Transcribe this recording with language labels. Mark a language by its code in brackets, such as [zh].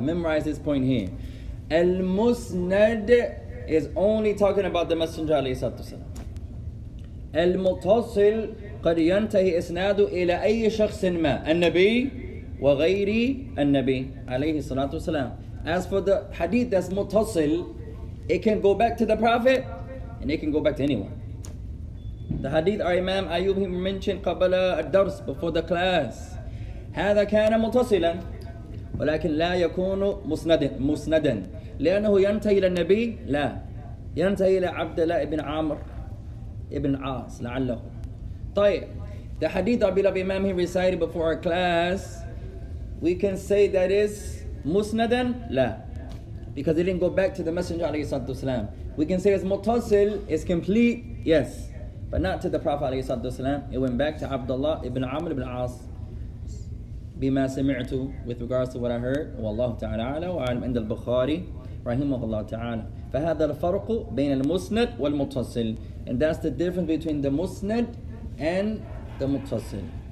[en] Memorize this point here. Al-Musnad is only talking about the Messenger alayhi salatu wasalam. [ar] Al-Mutasil قد ينتهي إسناده إلى أي شخص ما النبي وغير النبي عليه الصلاة والسلام. [en] As for the hadith that's mutasil, it can go back to the Prophet and it can go back to anyone. The hadith our Imam Ayyub mentioned [ar] قبل الدرس [en] before the class. [ar] هذا كان متصلا ولكن لا يكون مسندا لأنه ينتهي إلى النبي. لا ينتهي إلى عبد الله ابن عامر ابن عاص لعله. [en] طيب the hadith our beloved Imam he recited before our class, we can say that is مسندا. لا, because it didn't go back to the Messenger عليه الصلاة والسلام. We can say it's متصل, it's complete, yes, but not to the Prophet عليه الصلاة والسلام. It went back to [ar] عبد الله ابن عامر ابن عاص. بما سمعت, [en] with regards to what I heard, [ar] والله تعالى أعلم وأعلم عند البخاري رحمه الله تعالى. فهذا الفرق بين المسند والمتصل. [en] And that's the difference between the مسند and the متصل.